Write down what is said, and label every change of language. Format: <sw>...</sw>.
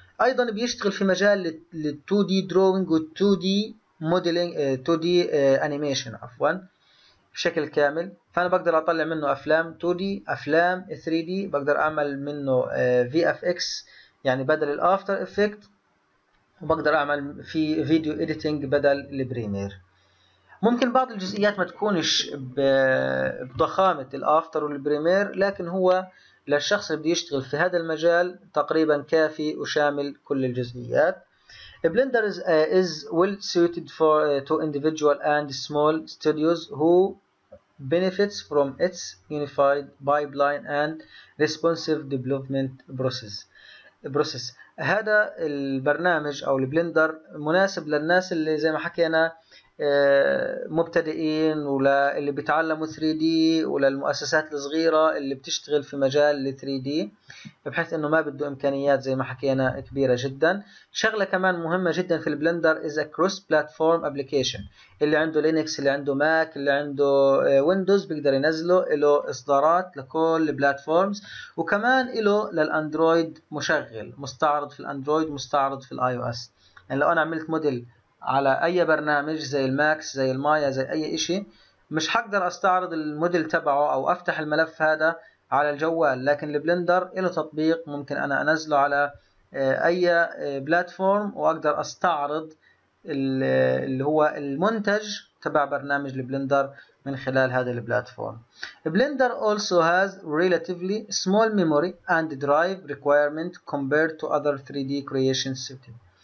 <ar>ايضا بيشتغل في مجال لل 2D drawing و 2D modeling 2D animation عفوا بشكل كامل، فانا بقدر اطلع منه افلام 2D، افلام 3D، بقدر اعمل منه VFX يعني بدل الافتر افكت، وبقدر اعمل في فيديو editing بدل البريمير. ممكن بعض الجزئيات ما تكونش بضخامة الافتر والبريمير، لكن هو للشخص اللي بده يشتغل في هذا المجال تقريبا كافي وشامل كل الجزئيات.</ar> <en>Blender is well suited for to individual and small studios who benefits from its unified pipeline and responsive development process.</en> <ar>هذا البرنامج او البلندر مناسب للناس اللي زي ما حكينا مبتدئين وللي بيتعلموا 3D وللمؤسسات الصغيرة اللي بتشتغل في مجال 3D بحيث انه ما بده امكانيات زي ما حكينا كبيرة جدا. شغلة كمان مهمة جدا في البلندر</ar> <en>is a cross platform application،</en> <ar>اللي عنده لينكس، اللي عنده ماك، اللي عنده ويندوز بيقدر ينزله، له اصدارات لكل البلاتفورمز، وكمان له للاندرويد مشغل، مستعرض في الاندرويد، مستعرض في الاي او اس. يعني لو انا عملت موديل على اي برنامج زي الماكس زي المايا زي اي اشي مش حقدر استعرض الموديل تبعه او افتح الملف هذا على الجوال، لكن البلندر له تطبيق ممكن انا انزله على اي بلاتفورم واقدر استعرض اللي هو المنتج تبع برنامج البلندر من خلال هذا البلاتفورم.</ar> <en>Blender also has relatively small memory and drive requirement compared to other 3D creation systems.</en>